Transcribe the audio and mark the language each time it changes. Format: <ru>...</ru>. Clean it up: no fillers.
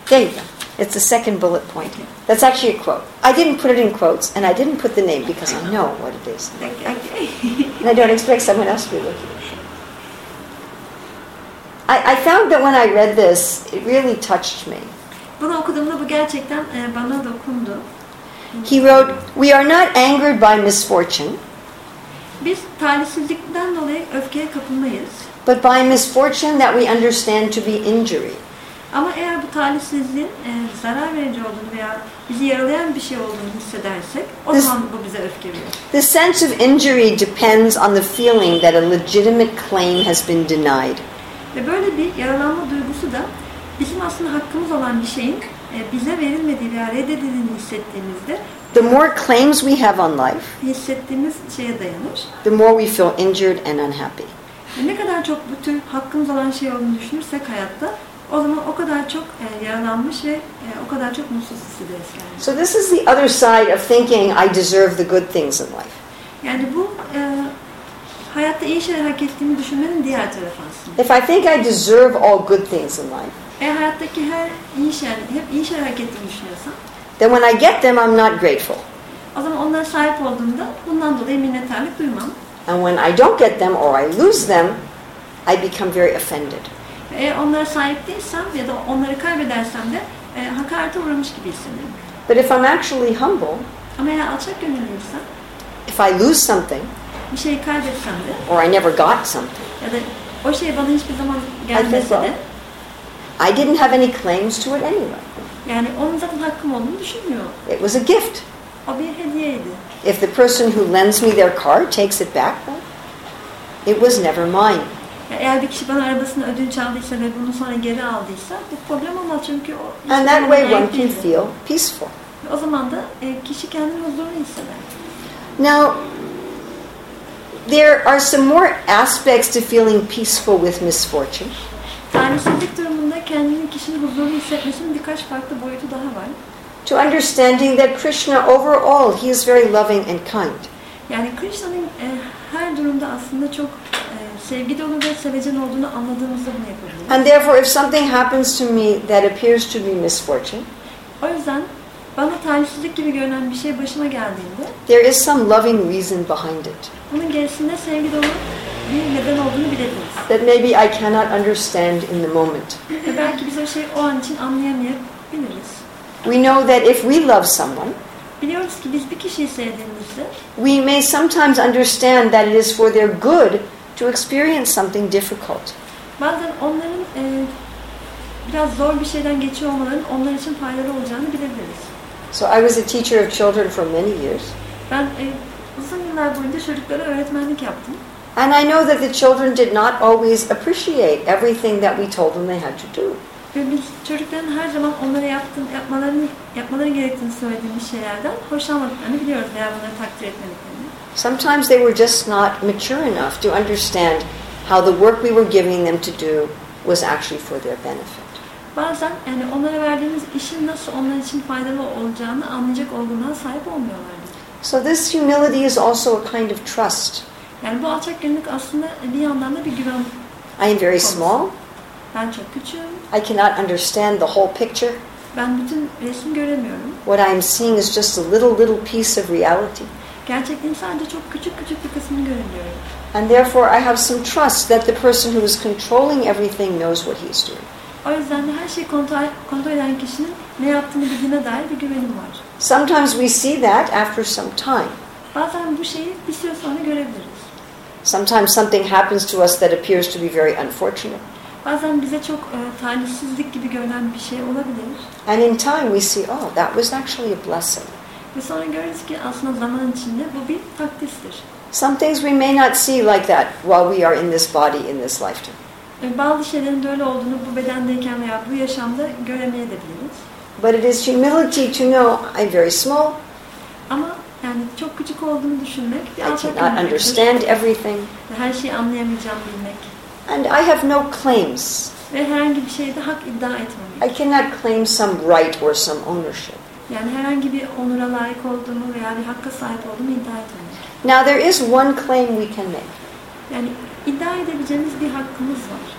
<en>There you go. It's the second bullet point. That's actually a quote. I didn't put it in quotes, and I didn't put the name because I know what it is. Okay. And I don't expect someone else to be looking. I found that when I read this, it really touched me.</en> <tr>Bunu okuduğumda bu gerçekten bana dokundu.</tr> <en>He wrote, "We are not angered by misfortune."</en> <tr>Biz talihsizlikten dolayı öfkeye kapılmayız.</tr> <en>But by misfortune that we understand to be injury.</en> <tr>Ama eğer bu talihsizliğin zarar verici olduğunu veya bizi yaralayan bir şey olduğunu hissedersek, o zaman bu bize öfke veriyor.</tr> <en>The sense of injury depends on the feeling that a legitimate claim has been denied.</en> <tr>Ve böyle bir yaralanma duygusu da bizim aslında hakkımız olan bir şeyin bize verilmediği veya reddedildiğini hissettiğimizde</tr> <en>the more claims we have on life,</en> <tr>hissettiğimiz şeye dayanır.</tr> <en>The more we feel injured and unhappy.</en> <tr>Ne kadar çok bu tür hakkımız olan şey olduğunu düşünürsek hayatta o zaman o kadar çok yaralanmış ve o kadar çok mutsuz hissederiz. Yani.</tr> <en>So this is the other side of thinking I deserve the good things in life.</en> <tr>Yani bu hayatta iyi şeyler hak ettiğimi düşünmenin diğer tarafı aslında.</tr> <en>If I think I deserve all good things in life.</en> <tr>Eğer hayattaki her iyi şeyler, hep iyi şeyler hak ettiğimi düşünüyorsam.</tr> <en>Then when I get them, I'm not grateful.</en> <tr>O zaman onlara sahip olduğumda bundan dolayı minnettarlık duymam.</tr> <en>And when I don't get them or I lose them, I become very offended.</en> <tr>Eğer onlara sahip değilsem ya da onları kaybedersem de hakarete uğramış gibi hissederim.</tr> <en>But if I'm actually humble.</en> <tr>Ama eğer alçak gönüllüysem.</tr> <en>If I lose something.</en> <tr>Bir şeyi kaybetsem de.</tr> <en>Or I never got something.</en> <tr>Ya da o şey bana hiçbir zaman gelmese de.</tr> <en>I didn't have any claims to it anyway.</en> <tr>Yani onun zaten hakkım olduğunu düşünmüyor.</tr> <en>It was a gift.</en> <tr>O bir hediyeydi.</tr> <en>If the person who lends me their car takes it back, it was never mine.</en> <tr>Eğer bir kişi bana arabasını ödünç aldıysa ve bunu sonra geri aldıysa, bu problem olmaz çünkü o.</tr> <en>And that way one can feel peaceful.</en> <tr>O zaman da kişi kendini huzurlu hisseder.</tr> <en>Now, there are some more aspects to feeling peaceful with misfortune.</en> <tr>Talihsizlik durumunda kendini kişinin huzurlu hissetmesinin birkaç farklı boyutu daha var.</tr> <en>To understanding that Krishna overall he is very loving and kind.</en> <tr>Yani Krishna'nın her durumda aslında çok sevgi dolu ve sevecen olduğunu anladığımızda bunu yapabiliriz.</tr> <en>And therefore if something happens to me that appears to be misfortune.</en> <tr>O yüzden bana talihsizlik gibi görünen bir şey başıma geldiğinde</tr> <en>there is some loving reason behind it.</en> <tr>Bunun gerisinde sevgi dolu bir neden olduğunu biliriz.</tr> <en>That maybe I cannot understand in the moment.</en> <tr>Belki biz o şeyi o an için anlayamayabiliriz.</tr> <en>We know that if we love someone</en> <tr>biliyoruz ki biz bir kişiyi sevdiğimizde</tr> <en>we may sometimes understand that it is for their good to experience something difficult.</en> <tr>Bazen onların biraz zor bir şeyden geçiyor olmaların onlar için faydalı olacağını bilebiliriz.</tr> <en>So I was a teacher of children for many years.</en> <tr>Ben uzun yıllar boyunca çocuklara öğretmenlik yaptım.</tr> <en>And I know that the children did not always appreciate everything that we told them they had to do.</en> <tr>Ve biz çocukların her zaman onlara yapmaları gerektiğini söylediğimiz şeylerden hoşlanmadıklarını biliyoruz veya bunları takdir etmediklerini.</tr> <en>Sometimes they were just not mature enough to understand how the work we were giving them to do was actually for their benefit.</en> <tr>Bazen yani onlara verdiğimiz işin nasıl onlar için faydalı olacağını anlayacak olduğuna sahip olmuyorlardı.</tr> <en>So this humility is also a kind of trust.</en> <tr>Yani bu alçakgönüllük aslında bir yandan da bir güven.</tr> <en>I am very small.</en> <tr>Ben çok küçüğüm.</tr> <en>I cannot understand the whole picture.</en> <tr>Ben bütün resmi göremiyorum.</tr> <en>What I am seeing is just a little piece of reality.</en> <tr>Gerçekten sadece çok küçük bir kısmını görebiliyorum.</tr> <en>And therefore I have some trust that the person who is controlling everything knows what he is doing.</en> <tr>O yüzden her şeyi kontrol eden kişinin ne yaptığını bildiğine dair bir güvenim var.</tr> <en>Sometimes we see that after some time.</en> <tr>Bazen bu şeyi bir süre sonra görebiliriz.</tr> <en>Sometimes something happens to us that appears to be very unfortunate.</en> <tr>Bazen bize çok talihsizlik gibi görünen bir şey olabilir.</tr> <en>And in time we see, oh, that was actually a blessing.</en> <tr>Ve sonra görürüz ki aslında zaman içinde bu bir takdirdir.</tr> <en>Some things we may not see like that while we are in this body, in this lifetime.</en> <tr>Bazı şeylerin böyle olduğunu bu bedendeyken veya bu yaşamda göremeyebiliriz.</tr> <en>But it is humility to know I'm very small.</en> <tr>Ama yani çok küçük olduğumu düşünmek.</tr> <en>I cannot understand everything.</en> <tr>Her şeyi anlayamayacağımı bilmek.</tr> <en>And I have no claims.</en> <tr>Ve herhangi bir şeyde hak iddia etmemek.</tr> <en>I cannot claim some right or some ownership.</en> <tr>Yani herhangi bir onura layık olduğumu veya bir hakka sahip olduğumu iddia etmemek.</tr> <en>Now there is one claim we can make.</en> <tr>Yani iddia edebileceğimiz bir hakkımız var.</tr>